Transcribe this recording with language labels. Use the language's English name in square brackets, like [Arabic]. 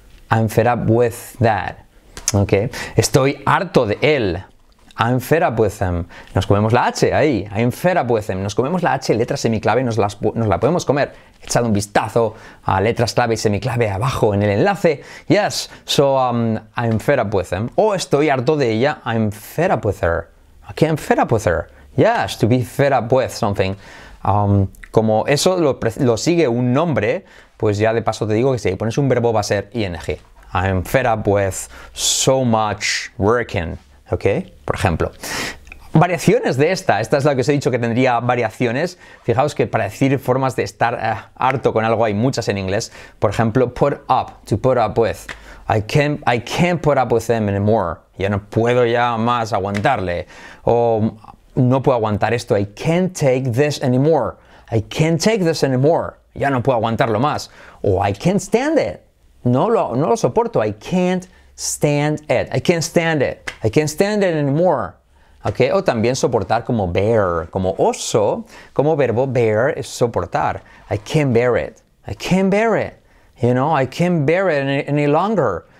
[English] I'm fed up with that. Ok. [Spanish] Estoy harto de él. [English] I'm fed up with him. [Spanish] Nos comemos la H ahí. [English] I'm fed up with him. [Spanish] Nos comemos la H, letra semiclave, nos la podemos comer. Echad un vistazo a letras clave y semiclave abajo en el enlace. [English] Yes, so I'm fed up with him. [Spanish] O estoy harto de ella. [English] I'm fed up with her. Okay, I'm fed up with her. Yes, to be fed up with something. [Spanish] Como eso lo sigue un nombre, pues ya de paso te digo que si pones un verbo va a ser ing. [English] I'm fed up with so much working. [Spanish] Okay, por ejemplo. Variaciones de esta. Esta es la que os he dicho que tendría variaciones. Fijaos que para decir formas de estar harto con algo hay muchas en inglés. Por ejemplo, [English] put up, to put up with. I can't put up with them anymore. [Spanish] Ya no puedo ya más aguantarle. O no puedo aguantar esto. [English] I can't take this anymore. I can't take this anymore. [Spanish] Ya no puedo aguantarlo más. [English] O I can't stand it. [Spanish] No lo soporto. [English] I can't stand it. I can't stand it. I can't stand it anymore. Okay. [Spanish] O también soportar como bear, como oso, como verbo bear es soportar. [English] I can't bear it. I can't bear it. You know, I can't bear it any longer.